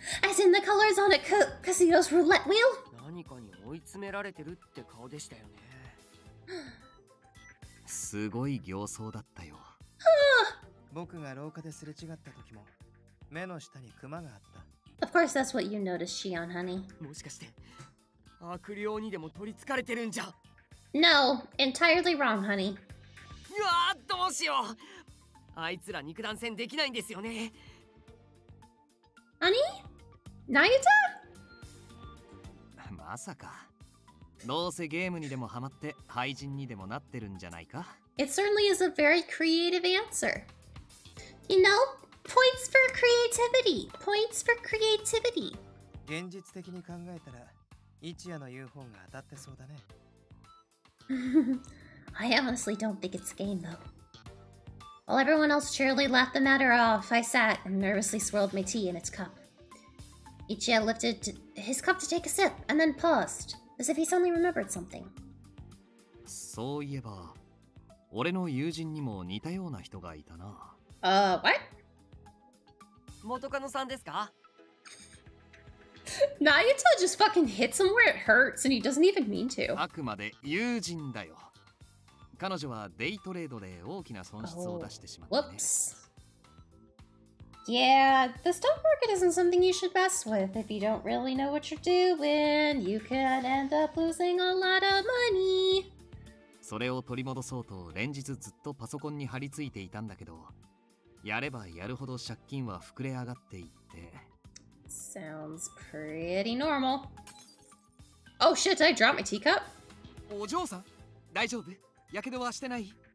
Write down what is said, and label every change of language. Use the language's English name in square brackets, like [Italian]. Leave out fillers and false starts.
[English] As in the colors on a casino's roulette wheel? [Japanese] 何かに追い詰められてるって顔でしたよね。すごい形相だったよ。僕が廊下ですれ違った時も、目の下にクマがあった。 [English] Of course that's what you noticed, Shion, honey. [Japanese] もしかして、悪霊にでも取り憑かれてるんじゃ。 [English] No, entirely wrong, honey. [Japanese] Yeah, どうしよう。あいつら肉弾戦できないんですよね。 [English] Honey? Nayuta? [Japanese] まさか。どうせゲームにでもハマって廃人にでもなってるんじゃないか。 [English] It certainly is a very creative answer. You know, points for creativity. Points for creativity. [Japanese] 現実的に考えたら、一夜の UFO が当たってそうだね。 [English] I honestly don't think it's a game, though. While everyone else cheerily laughed the matter off, I sat and nervously swirled my tea in its cup. Ichiya lifted his cup to take a sip, and then paused, as if he suddenly remembered something. [Japanese] そういえば、俺の友人にも似たような人がいたな。 [English] What? [Japanese] 元カノさんですか？ [English] Nayuta just fucking hits him where it hurts and he doesn't even mean to. [Japanese] あくまで友人だよ。彼女はデイトレードで大きな損失を出してしまったね。 Whoops. [English] Yeah, the stock market isn't something you should mess with if you don't really know what you're doing. You can end up losing a lot of money. [Japanese] それを取り戻そうと連日ずっとパソコンに張り付いていたんだけど、やればやるほど借金は膨れ上がっていって。 [English] Sounds pretty normal. Oh shit, did I drop my teacup? [Japanese] お嬢さん、大丈夫？やけどはしてない？